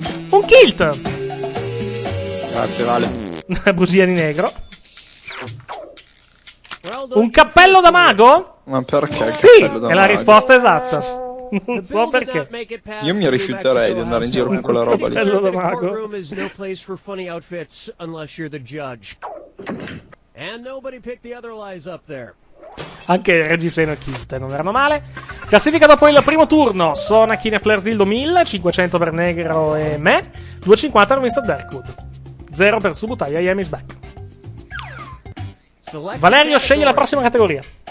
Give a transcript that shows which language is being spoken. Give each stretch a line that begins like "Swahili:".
Italian: Un kilt. Grazie, Vale. Una bugia di negro. Un cappello da mago? Ma perché? Sì, è la risposta esatta. Non so perché. Io mi rifiuterei di andare in giro con quella roba lì. Cappello da mago.
English: No place for funny outfits unless you're the judge. And nobody picked the other lies up there.
Italian: Anche reggiseno e kilt non erano male. Classifica dopo il primo turno: Sona, Kine, Flair's Dildo 1500 per Negro e me, 250 per Mr. Darkwood, 0 per Subutai e Yami's Back. Valerio, scegli la prossima categoria.